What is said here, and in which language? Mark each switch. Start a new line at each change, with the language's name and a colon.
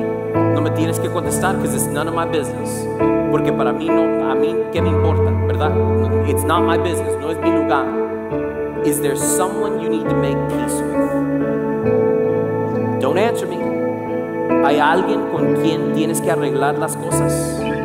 Spanish: No me tienes que contestar
English: because it's none of my business.
Spanish: Porque para mí no, a mí qué me importa, ¿verdad?
English: It's not my business.
Spanish: No es mi lugar.
English: Is there someone you need to make peace with? Don't answer me.
Spanish: ¿Hay alguien con quien tienes que arreglar las cosas?